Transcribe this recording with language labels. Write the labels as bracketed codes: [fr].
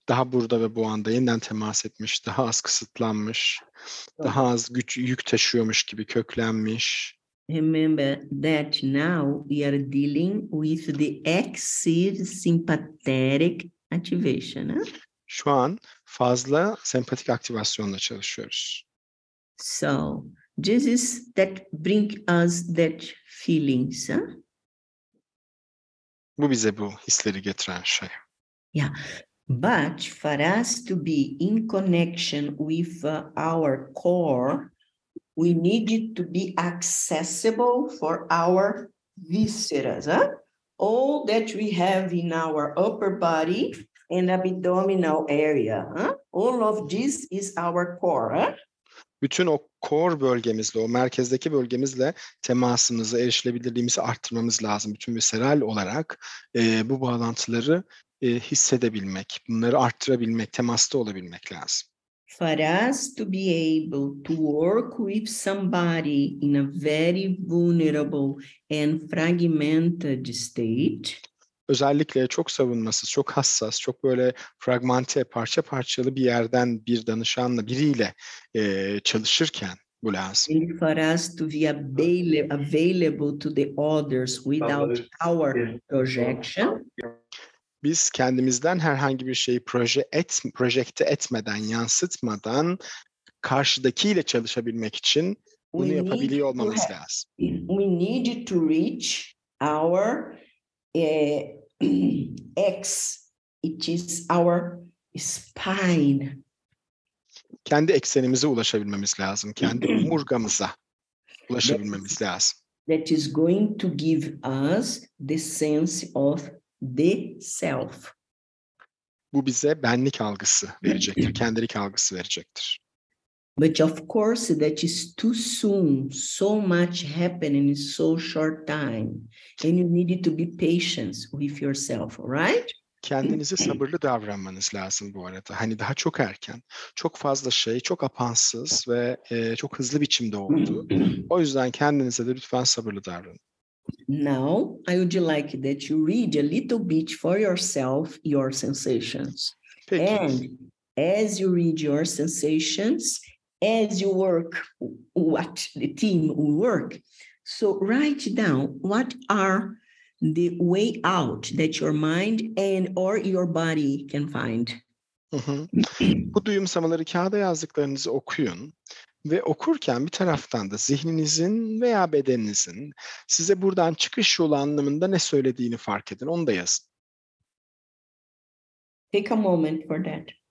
[tr] Daha burada ve bu anda yeniden temas etmiş, daha az kısıtlanmış, daha az güç yük taşıyormuş gibi köklenmiş. [en] Remember that now we are dealing with the excess sympathetic activation. [tr] Şu an fazla sempatik aktivasyonla çalışıyoruz. [en] So, this is that bring us that feelings. [tr] Bu bize bu hisleri getiren şey. [en] Yeah. But for us to be in connection with our core, we need it to be accessible for our vísceras. Huh? All that we have in our upper body and abdominal area. Huh? All of this is our core. Huh? [tr] Bütün o core bölgemizle, o merkezdeki bölgemizle temasımızı, erişilebilirliğimizi arttırmamız lazım. Bütün visceral olarak bu bağlantıları hissedebilmek, bunları arttırabilmek, temasta olabilmek lazım. [en] For us to be able to work with somebody in a very vulnerable and fragmented state. [tr] Özellikle çok savunmasız, çok hassas, çok böyle fragmente, parça parçalı bir yerden bir danışanla, biriyle çalışırken bu lazım. [en] And for us to be available to the others without our projection. [tr] Biz kendimizden herhangi bir şeyi projekte etmeden, yansıtmadan karşıdakiyle çalışabilmek için bunu yapabiliyor olmamız lazım. [en] We need to reach our X, it is our spine. [tr] Kendi eksenimize ulaşabilmemiz lazım, kendi omurgamıza ulaşabilmemiz lazım. [en] That is going to give us the sense of the self. [tr] Bu bize benlik algısı verecektir, kendilik algısı verecektir. [en] But of course that is too soon. So much happening in so short time. And you need to be patient with yourself, right? [tr] Kendinize sabırlı davranmanız lazım bu arada. Hani daha çok erken, çok fazla şey, çok apansız ve çok hızlı biçimde oldu. O yüzden kendinize de lütfen sabırlı davranın. [en] Now, I would like that you read a little bit for yourself your sensations. [tr] Peki. [en] And as you read your sensations, as you work, what the team will work. So write down what are the way out that your mind and or your body can find. [tr] Bu duyumsamaları kağıda yazdıklarınızı okuyun ve okurken bir taraftan da zihninizin veya bedeninizin size buradan çıkış yolu anlamında ne söylediğini fark edin. Onu da yazın. [en] Take a moment for that.